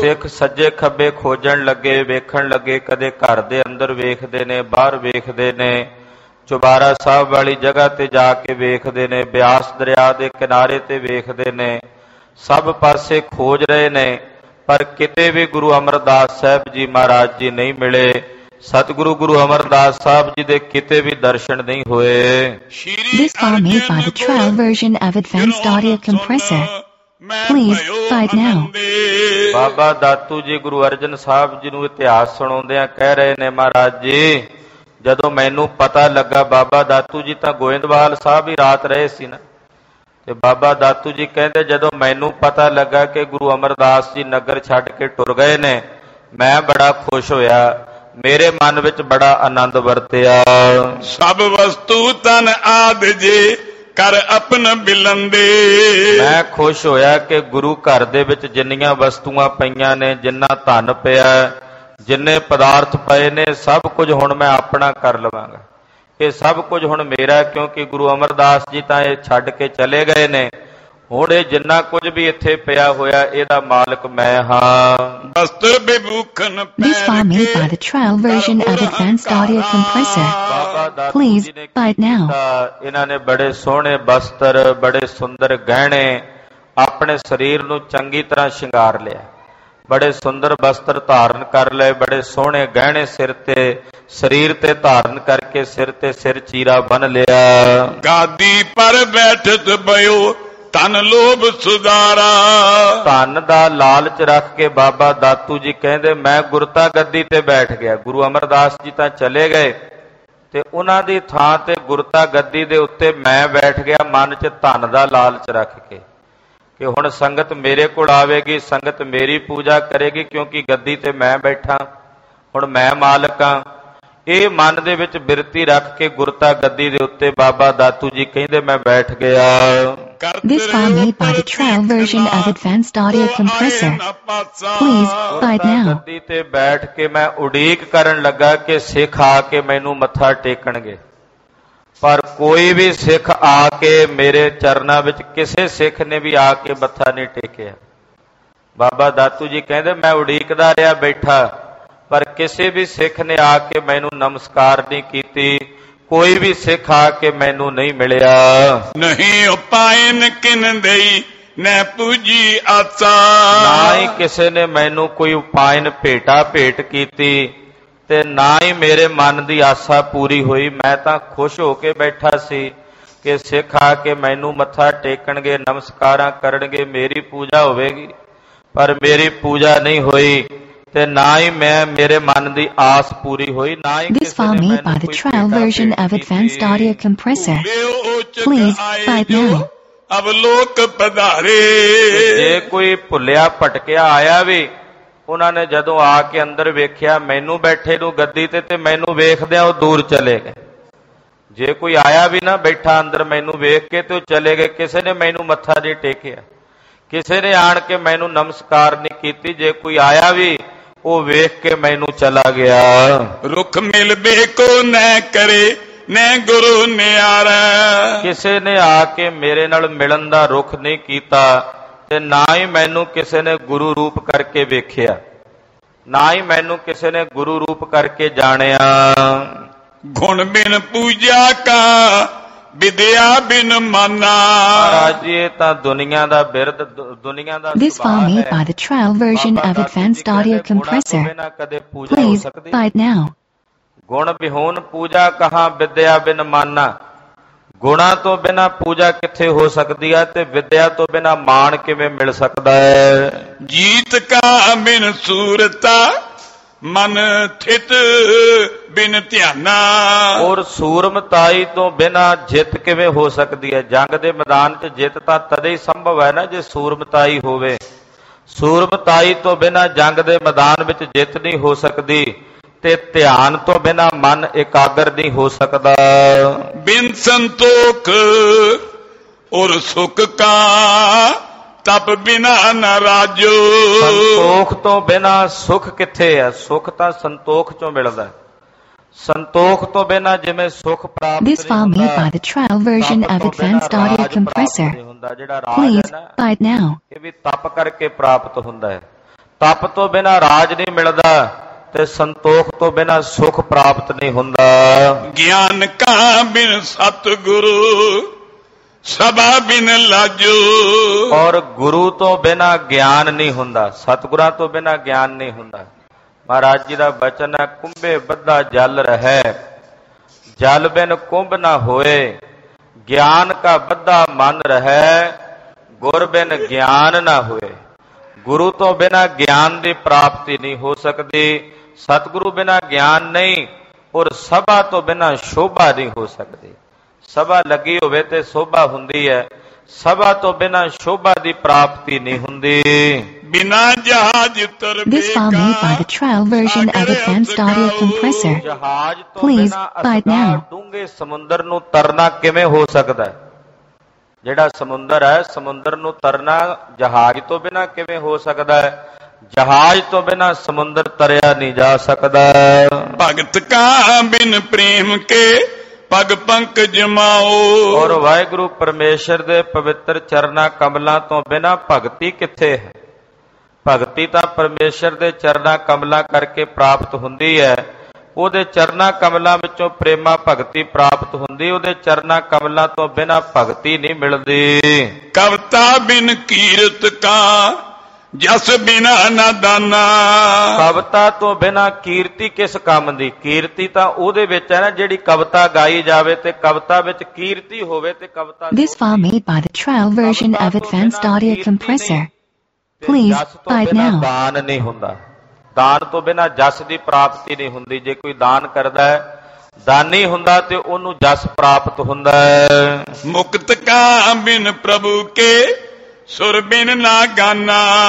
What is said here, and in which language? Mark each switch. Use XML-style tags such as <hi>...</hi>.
<pa>ਸਿੱਖ ਸੱਜੇ ਖੱਬੇ ਖੋਜਣ ਲੱਗੇ, ਵੇਖਣ ਲੱਗੇ, ਕਦੇ ਘਰ ਦੇ ਅੰਦਰ ਵੇਖਦੇ ਨੇ, ਬਾਹਰ ਵੇਖਦੇ ਨੇ, ਚੁਬਾਰਾ ਸਾਹਿਬ ਵਾਲੀ ਜਗ੍ਹਾ ਤੇ ਜਾ ਕੇ ਵੇਖਦੇ ਨੇ, ਬਿਆਸ ਦਰਿਆ ਦੇ ਕਿਨਾਰੇ ਤੇ ਵੇਖਦੇ ਨੇ, ਸਭ ਪਾਸੇ ਖੋਜ ਰਹੇ ਨੇ, ਪਰ ਕਿਤੇ ਵੀ ਗੁਰੂ ਅਮਰਦਾਸ ਸਾਹਿਬ ਜੀ ਮਹਾਰਾਜ ਜੀ ਨਹੀਂ ਮਿਲੇ। ਸਤਿਗੁਰੂ ਗੁਰੂ ਅਮਰਦਾਸ ਸਾਹਿਬ ਜੀ ਦੇ ਕਿਤੇ ਵੀ ਦਰਸ਼ਨ ਨਹੀਂ ਹੋਏ।</pa> <en>This file made by the trial version of advanced audio compressor. Please buy it now.</en> <pa>ਬਾਬਾ ਦਾਤੂ ਜੀ ਗੁਰੂ ਅਰਜਨ ਸਾਹਿਬ ਜੀ ਨੂੰ ਇਤਿਹਾਸ ਸੁਣਾਉਂਦਿਆਂ ਕਹਿ ਰਹੇ ਨੇ, ਮਹਾਰਾਜ ਜੀ ਜਦੋਂ ਮੈਨੂੰ ਪਤਾ ਲੱਗਾ, ਬਾਬਾ ਦਾਤੂ ਜੀ ਤਾਂ ਗੋਇੰਦਵਾਲ ਸਾਹਿਬ ਹੀ ਰਾਤ ਰਹੇ ਸੀ ਨਾ, ਤੇ ਬਾਬਾ ਦਾਤੂ ਜੀ ਕਹਿੰਦੇ ਜਦੋਂ ਮੈਨੂੰ ਪਤਾ ਲੱਗਾ ਕਿ ਗੁਰੂ ਅਮਰਦਾਸ ਜੀ ਨਗਰ ਛੱਡ ਕੇ ਟੁਰ ਗਏ ਨੇ, ਮੈਂ ਬੜਾ ਖੁਸ਼ ਹੋਇਆ, ਮੇਰੇ ਮਨ ਵਿੱਚ ਬੜਾ ਆਨੰਦ ਵਰਤਿਆ।</pa> <bra>ਸਭ ਵਸਤੂ ਤਨ ਆਦਿ ਜੇ ਕਰ ਆਪਣ ਬਿਲੰਦੇ।</bra> <pa>ਮੈਂ ਖੁਸ਼ ਹੋਇਆ ਕਿ ਗੁਰੂ ਘਰ ਦੇ ਵਿੱਚ ਜਿੰਨੀਆਂ ਵਸਤੂਆਂ ਪਈਆਂ ਨੇ, ਜਿੰਨਾ ਧਨ ਪਿਆ, ਜਿੰਨੇ ਪਦਾਰਥ ਪਏ ਨੇ, ਸਭ ਕੁਝ ਹੁਣ ਮੈਂ ਆਪਣਾ ਕਰ ਲਵਾਂਗਾ, ਇਹ ਸਭ ਕੁਝ ਹੁਣ ਮੇਰਾ, ਕਿਉਂਕਿ ਗੁਰੂ ਅਮਰਦਾਸ ਜੀ ਤਾਂ ਇਹ ਛੱਡ ਕੇ ਚਲੇ ਗਏ ਨੇ, ਹੁਣ ਇਹ ਜਿੰਨਾ ਕੁਝ ਵੀ ਇੱਥੇ ਪਿਆ ਹੋਇਆ ਇਹਦਾ ਮਾਲਕ ਮੈਂ ਹਾਂ।</pa> <bra>ਵਸਤਰ ਬਿਭੂਖਨ ਪੈਰ ਕੇ।</bra> <en>This file made by the trial version of advanced audio compressor. Please buy it now.</en> <pa>ਇਹਨਾਂ ਨੇ ਬੜੇ ਸੋਹਣੇ ਵਸਤਰ, ਬੜੇ ਸੁੰਦਰ ਗਹਿਣੇ ਆਪਣੇ ਸਰੀਰ ਨੂੰ ਚੰਗੀ ਤਰ੍ਹਾਂ ਸ਼ਿੰਗਾਰ ਲਿਆ, ਬੜੇ ਸੁੰਦਰ ਵਸਤਰ ਧਾਰਨ ਕਰ ਲਏ, ਬੜੇ ਸੋਹਣੇ ਗਹਿਣੇ ਸਿਰ ਤੇ ਸਰੀਰ ਤੇ ਧਾਰਨ ਕਰਕੇ ਸਿਰ ਤੇ ਸਿਰ ਚੀਰਾ ਬੰਨ ਲਿਆ।</pa> <bra>ਗਾਦੀ ਪਰ ਬੈਠਤ ਬਯੋ ਧਨ ਲੋਭ ਸੁਧਾਰਾ।</bra> <pa>ਧਨ ਦਾ ਲਾਲਚ ਰੱਖ ਕੇ ਬਾਬਾ ਦਾਤੂ ਜੀ ਕਹਿੰਦੇ ਮੈਂ ਗੁਰਤਾ ਗੱਦੀ ਤੇ ਬੈਠ ਗਿਆ। ਗੁਰੂ ਅਮਰਦਾਸ ਜੀ ਤਾਂ ਚਲੇ ਗਏ ਤੇ ਉਹਨਾਂ ਦੀ ਥਾਂ ਤੇ ਗੁਰਤਾ ਗੱਦੀ ਦੇ ਉੱਤੇ ਮੈਂ ਬੈਠ ਗਿਆ, ਮਨ ਚ ਧਨ ਦਾ ਲਾਲਚ ਰੱਖ ਕੇ ਕਿ ਹੁਣ ਸੰਗਤ ਮੇਰੇ ਕੋਲ ਆਵੇਗੀ, ਸੰਗਤ ਮੇਰੀ ਪੂਜਾ ਕਰੇਗੀ, ਕਿਉਂਕਿ ਗੱਦੀ ਤੇ ਮੈਂ ਬੈਠਾ, ਹੁਣ ਮੈਂ ਮਾਲਕ ਹਾਂ। ਇਹ ਮਨ ਦੇ ਵਿੱਚ ਬਿਰਤੀ ਰੱਖ ਕੇ ਗੁਰਤਾ ਗੱਦੀ ਦੇ ਉੱਤੇ ਬਾਬਾ ਦਾਤੂ ਜੀ ਕਹਿੰਦੇ ਮੈਂ ਬੈਠ ਗਿਆ।</pa> <en>This file made by the trial version of Advanced Audio Compressor. Please buy it now.</en> <pa>ਗੱਦੀ ਤੇ ਬੈਠ ਕੇ ਮੈਂ ਉਡੀਕ ਕਰਨ ਲੱਗਾ ਕਿ ਸਿੱਖ ਆ ਕੇ ਮੈਨੂੰ ਮੱਥਾ ਟੇਕਣਗੇ, ਪਰ ਕੋਈ ਵੀ ਸਿੱਖ ਆ ਕੇ ਮੇਰੇ ਚਰਨਾਂ ਵਿੱਚ ਕਿਸੇ ਸਿੱਖ ਨੇ ਵੀ ਆ ਕੇ ਮੱਥਾ ਨਹੀਂ ਟੇਕਿਆ। ਬਾਬਾ ਦਾਤੂ ਜੀ ਕਹਿੰਦੇ ਮੈਂ ਉਡੀਕਦਾ ਰਿਹਾ ਬੈਠਾ, ਪਰ ਕਿਸੇ ਵੀ ਸਿੱਖ ਨੇ ਆ ਕੇ ਮੈਨੂੰ ਨਮਸਕਾਰ ਨਹੀਂ ਕੀਤੀ, ਕੋਈ ਵੀ ਸਿੱਖ ਆ ਕੇ ਮੈਨੂੰ ਨਹੀਂ ਮਿਲਿਆ।</pa> <bra>ਨਹੀਂ ਉਪਾਇਨ ਕਿਨ ਦੇਈ ਨਾ ਪੂਜੀ</bra> <pa>ਆਚਾ, ਨਾ ਹੀ ਕਿਸੇ ਨੇ ਮੈਨੂੰ ਕੋਈ ਉਪਾਇਨ ਭੇਟਾ ਭੇਟ ਕੀਤੀ, ਤੇ ਨਾ ਹੀ ਮੇਰੇ ਮਨ ਦੀ ਆਸਾ ਪੂਰੀ ਹੋਈ। ਮੈਂ ਤਾਂ ਖੁਸ਼ ਹੋ ਕੇ ਬੈਠਾ ਸੀ ਕਿ ਸਿੱਖ ਆ ਕੇ ਮੈਨੂੰ ਮੱਥਾ ਟੇਕਣਗੇ, ਨਮਸਕਾਰਾਂ ਕਰਨਗੇ, ਮੇਰੀ ਪੂਜਾ ਹੋਵੇਗੀ, ਪਰ ਮੇਰੀ ਪੂਜਾ ਨਹੀਂ ਹੋਈ ਤੇ ਨਾ ਹੀ ਮੈਂ ਮੇਰੇ ਮਨ ਦੀ ਆਸ ਪੂਰੀ ਹੋਈ, ਨਾ ਹੀ ਕਿਸੇ ਨੇ ਮੈਨੂੰ ਕੋਈ ਟ੍ਰਾਇਲ ਕੀਤੀ।</pa> <en>This file made by the trial version of Advanced Audio Compressor. Please buy now.</en> <bra>ਅਬ ਲੋਕ ਪਧਾਰੇ।</bra> <pa>ਜੇ ਕੋਈ ਭੁੱਲਿਆ ਭਟਕਿਆ ਆਇਆ ਵੀ, ਉਹਨਾਂ ਨੇ ਜਦੋਂ ਆ ਕੇ ਅੰਦਰ ਵੇਖਿਆ ਮੈਨੂੰ ਬੈਠੇ ਨੂੰ ਗੱਦੀ ਤੇ ਮੈਨੂੰ ਵੇਖਦਿਆਂ ਉਹ ਦੂਰ ਚਲੇ ਗਏ। ਜੇ ਕੋਈ ਆਇਆ ਵੀ ਨਾ ਬੈਠਾ ਅੰਦਰ ਮੈਨੂੰ ਵੇਖ ਕੇ ਤੇ ਉਹ ਚਲੇ ਗਏ। ਕਿਸੇ ਨੇ ਮੈਨੂੰ ਮੱਥਾ ਨਹੀਂ ਟੇਕਿਆ, ਕਿਸੇ ਨੇ ਆਣ ਕੇ ਮੈਨੂੰ ਨਮਸਕਾਰ ਨਹੀਂ ਕੀਤੀ, ਜੇ ਕੋਈ ਆਇਆ ਵੀ ਉਹ ਵੇਖ ਕੇ ਮੈਨੂੰ ਚਲਾ ਗਿਆ।</pa> <bra>ਰੁੱਖ ਮਿਲ ਬੇਕੋ ਨਾ ਕਰੇ ਨਾ ਗੁਰੂ ਨਿਆਰਾ,</bra> <pa>ਕਿਸੇ ਨੇ ਆ ਕੇ ਮੇਰੇ ਨਾਲ ਮਿਲਣ ਦਾ ਰੁੱਖ ਨਹੀਂ ਕੀਤਾ ਤੇ ਨਾ ਹੀ ਮੈਨੂੰ ਕਿਸੇ ਨੇ ਗੁਰੂ ਰੂਪ ਕਰਕੇ ਵੇਖਿਆ, ਨਾ ਹੀ ਮੈਨੂੰ ਕਿਸੇ ਨੇ ਗੁਰੂ ਰੂਪ ਕਰਕੇ ਜਾਣਿਆ।</pa> <bra>ਗੁਣ ਬਿਨ ਪੂਜਾ ਕਾ ਵਿਦਿਆ ਬਿਨ ਮਾਨਾ।</bra> <pa>ਅੱਜ ਇਹ ਤਾਂ ਦੁਨੀਆਂ ਦਾ ਬਿਰਧ ਦੁਨੀਆਂ ਦਾ</pa> <en>This file made by the trial version of Advanced Audio Compressor. Please buy it now.</en> <bra>ਗੁਣ ਬਿਹੂਨ ਪੂਜਾ ਕਹਾਂ ਵਿਦਿਆ ਬਿਨ ਮਾਨਾ,</bra> <pa>ਗੁਣਾਂ ਤੋਂ ਬਿਨਾਂ ਪੂਜਾ ਕਿੱਥੇ ਹੋ ਸਕਦੀ ਹੈ ਤੇ ਵਿਦਿਆ ਤੋਂ ਬਿਨਾਂ ਮਾਣ ਕਿਵੇਂ ਮਿਲ ਸਕਦਾ ਹੈ।</pa> <bra>ਜੀਤ ਕਾ ਬਿਨ ਸੂਰਤਾ ਮਨ ਥਿਤ ਬਿਨ ਧਿਆਨਾ,</bra> <pa>ਔਰ ਸੂਰਮਤਾਈ ਤੋਂ ਬਿਨਾਂ ਜਿੱਤ ਕਿਵੇਂ ਹੋ ਸਕਦੀ ਹੈ। ਜੰਗ ਦੇ ਮੈਦਾਨ ਚ ਜਿੱਤ ਤਾਂ ਤਦੇ ਹੀ ਸੰਭਵ ਹੈ ਨਾ ਜੇ ਸੂਰਮਤਾਈ ਹੋਵੇ। ਸੂਰਮਤਾਈ ਤੋਂ ਬਿਨਾਂ ਜੰਗ ਦੇ ਮੈਦਾਨ ਵਿੱਚ ਜਿੱਤ ਨਹੀਂ ਹੋ ਸਕਦੀ ਤੇ ਧਿਆਨ ਤੋਂ ਬਿਨਾਂ ਮਨ ਇਕਾਗਰ ਨਹੀਂ ਹੋ ਸਕਦਾ।</pa> <bra>ਬਿਨ ਸੰਤੋਖ ਔਰ ਸੁਖ ਕਾ ਤਪ ਬਿਨਾ ਨਾ ਰਾਜੋ।</bra> <pa>ਸੰਤੋਖ ਤੋਂ ਬਿਨਾਂ ਸੁਖ ਕਿੱਥੇ ਹੈ? ਸੁਖ ਤਾਂ ਸੰਤੋਖ ਚੋਂ ਮਿਲਦਾ। ਸੰਤੋਖ ਤੋਂ ਬਿਨਾਂ ਜਿਵੇਂ ਸੁਖ ਪ੍ਰਾਪਤ</pa> <en>This file made by the trial version of Advanced Audio Compressor. Please buy it now.</en> <pa>ਇਹ ਵੀ ਤਪ ਕਰਕੇ ਪ੍ਰਾਪਤ ਹੁੰਦਾ ਹੈ। ਤਪ ਤੋਂ ਬਿਨਾਂ ਰਾਜ ਨਹੀਂ ਮਿਲਦਾ ਤੇ ਸੰਤੋਖ ਤੋਂ ਬਿਨਾਂ ਸੁਖ ਪ੍ਰਾਪਤ ਨਹੀਂ ਹੁੰਦਾ।</pa> <bra>ਗਿਆਨ ਕਾ ਬਿਨ ਸਤਿਗੁਰੂ ਸਭਾ ਬਿਨ ਲਾਜੋ,</bra> <pa>ਔਰ ਗੁਰੂ ਤੋਂ ਬਿਨਾਂ ਗਿਆਨ ਨਹੀਂ ਹੁੰਦਾ, ਸਤਿਗੁਰਾਂ ਤੋਂ ਬਿਨਾਂ ਗਿਆਨ ਨਹੀਂ ਹੁੰਦਾ। ਮਹਾਰਾਜ ਜੀ ਦਾ ਬਚਨ ਹੈ ਕੁੰਭੇ ਬੱਧਾ ਜਲ ਰਹੇ, ਜਲ ਬਿਨ ਕੁੰਭ ਨਾ ਹੋਏ, ਗਿਆਨ ਕਾ ਬੱਧਾ ਮਨ ਰਹੇ, ਗੁਰ ਬਿਨ ਗਿਆਨ ਨਾ ਹੋਏ। ਗੁਰੂ ਤੋਂ ਬਿਨਾਂ ਗਿਆਨ ਦੀ ਪ੍ਰਾਪਤੀ ਨਹੀਂ ਹੋ ਸਕਦੀ, ਸਤਿਗੁਰੂ ਬਿਨਾਂ ਗਿਆਨ ਨਹੀਂ, ਔਰ ਸਭਾ ਤੋਂ ਬਿਨਾਂ ਸ਼ੋਭਾ ਨਹੀਂ ਹੋ ਸਕਦੀ। ਸਭਾ ਲੱਗੀ ਹੋਵੇ ਤੇ ਸ਼ੋਭਾ ਹੁੰਦੀ ਹੈ, ਸਭਾ ਤੋਂ ਬਿਨਾਂ ਸ਼ੋਭਾ ਦੀ ਪ੍ਰਾਪਤੀ ਨਹੀਂ ਹੁੰਦੀ।</pa> <bra>ਬਿਨਾਂ ਜਹਾਜ ਉਤਰ</bra> <en>ਬੇਕਾ This file made by the trial version of Advanced Audio Compressor.</en> <pa>ਜਹਾਜ ਤੋਂ ਬਿਨਾਂ ਡੂੰਘੇ ਸਮੁੰਦਰ ਨੂੰ ਤਰਨਾ ਕਿਵੇਂ ਹੋ ਸਕਦਾ? ਜਿਹੜਾ ਸਮੁੰਦਰ ਹੈ, ਸਮੁੰਦਰ ਨੂੰ ਤਰਨਾ ਜਹਾਜ਼ ਤੋਂ ਬਿਨਾਂ ਕਿਵੇਂ ਹੋ ਸਕਦਾ ਹੈ? ਜਹਾਜ਼ ਤੋਂ ਬਿਨਾਂ ਸਮੁੰਦਰ ਤਰਿਆ ਨਹੀਂ ਜਾ ਸਕਦਾ।</pa> <bra>ਭਗਤ ਕਾ ਬਿਨ ਪ੍ਰੇਮ ਕੇ ਪਗ ਪੰਕ ਜਮਾਓ,</bra> <pa>ਔਰ ਵਾਹਿਗੁਰੂ ਪਰਮੇਸ਼ਰ ਦੇ ਪਵਿੱਤਰ ਚਰਨਾਂ ਕਮਲਾਂ ਤੋਂ ਬਿਨਾਂ ਭਗਤੀ ਕਿੱਥੇ ਹੈ? ਭਗਤੀ ਤਾਂ ਪਰਮੇਸ਼ਰ ਦੇ ਚਰਨਾਂ ਕਮਲਾਂ ਕਰਕੇ ਪ੍ਰਾਪਤ ਹੁੰਦੀ ਹੈ, ਉਹਦੇ ਚਰਨਾਂ ਕਮਲਾਂ ਵਿੱਚੋਂ ਪ੍ਰੇਮਾ ਭਗਤੀ ਪ੍ਰਾਪਤ ਹੁੰਦੀ, ਉਹਦੇ ਚਰਨਾਂ ਕਮਲਾਂ ਤੋਂ ਬਿਨਾਂ ਭਗਤੀ ਨਹੀਂ ਮਿਲਦੀ।</pa> <bra>ਕਵਿਤਾ ਬਿਨ ਕੀਰਤ ਕਾ ਜਸ ਬਿਨਾ ਨਾ ਦਾਨਾ,</bra> <pa>ਕਵਿਤਾ ਤੋਂ ਬਿਨਾਂ ਕੀਰਤੀ ਕਿਸ ਕੰਮ ਦੀ? ਕੀਰਤੀ ਤਾਂ ਉਹਦੇ ਵਿੱਚ ਹੈ ਨਾ ਜਿਹੜੀ ਕਵਿਤਾ ਗਾਈ ਜਾਵੇ ਤੇ ਕਵਿਤਾ ਵਿੱਚ ਕੀਰਤੀ ਹੋਵੇ ਤੇ ਕਵਿਤਾ।</pa> <en>This file made by the trial version of Advanced Audio Compressor. Please buy it now.</en> <pa>ਦਾਨ ਨਹੀਂ ਹੁੰਦਾ, ਦਾਨ ਤੋਂ ਬਿਨਾਂ ਜਸ ਦੀ ਪ੍ਰਾਪਤੀ ਨਹੀਂ ਹੁੰਦੀ। ਜੇ ਕੋਈ ਦਾਨ ਕਰਦਾ ਹੈ, ਦਾਨੀ ਹੁੰਦਾ ਤੇ ਉਹਨੂੰ ਜਸ ਪ੍ਰਾਪਤ ਹੁੰਦਾ।</pa> <bra>ਮੁਕਤ ਕਾ ਬਿਨ ਪ੍ਰਭੂ ਕੇ ਸੁਰ ਬਿਨ ਨਾ ਗਾਨਾ।</bra>